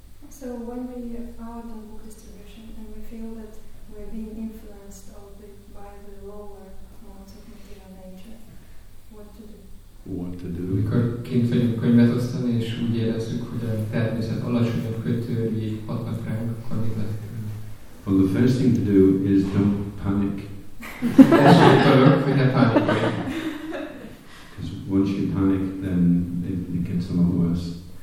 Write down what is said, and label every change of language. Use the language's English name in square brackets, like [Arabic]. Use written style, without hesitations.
[English] So when we are on book distribution and we feel that we're being influenced by the lower modes of material nature, what to do? [Hungarian] Mikor kint vagyunk könyvet osztani, és úgy érezzük, hogy a természet alacsonyabb kötői hatnak ránk, akkor mi lehet? [English] Well, the first thing to do is don't panic. [Hungarian] Első dolog, hogy ne panikolj. [English] Once you panic, then it gets a lot worse.